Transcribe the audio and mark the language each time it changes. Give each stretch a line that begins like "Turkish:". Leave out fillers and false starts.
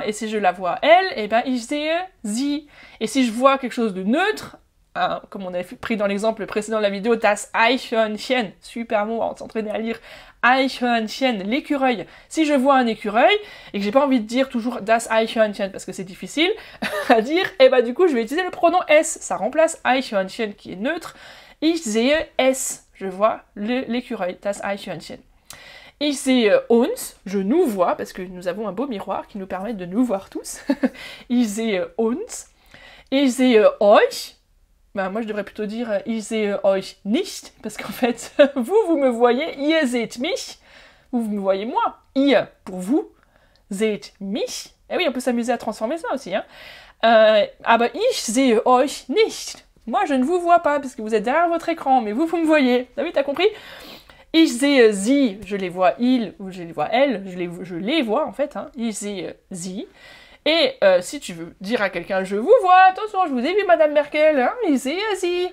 French: Et si je la vois elle, et ben
German: ich sehe sie.
French: Et si je vois quelque chose de neutre, hein, comme on avait pris dans l'exemple précédent de la vidéo,
German: das Eichhörnchen,
French: super mot, on s'entraînait à lire Eichhörnchen, l'écureuil. Si je vois un écureuil et que j'ai pas envie de dire toujours
German: das Eichhörnchen
French: parce que c'est difficile à dire, et ben du coup je vais utiliser le pronom s, ça remplace Eichhörnchen qui est neutre.
German: Ich sehe es,
French: je vois l'écureuil,
German: das Eichhörnchen. Ich sehe uns,
French: je nous vois, parce que nous avons un beau miroir qui nous permet de nous voir tous.
German: Ich sehe uns. Ich sehe euch.
French: Ben, moi, je devrais plutôt dire
German: ich sehe euch nicht,
French: parce qu'en fait, vous me voyez,
German: ihr seht mich.
French: Vous me voyez moi. Ihr, pour vous,
German: seht mich.
French: Eh oui, on peut s'amuser à transformer ça aussi. Hein.
German: Aber ich sehe euch nicht.
French: Moi, je ne vous vois pas, parce que vous êtes derrière votre écran, mais vous me voyez. Ah oui, t'as compris ?
German: Ich sehe sie,
French: je les vois il ou je les vois elle, je les vois en fait, hein.
German: Ich sehe sie.
French: Et si tu veux dire à quelqu'un je vous vois, attention, je vous ai vu Madame Merkel, hein,
German: ich sehe sie.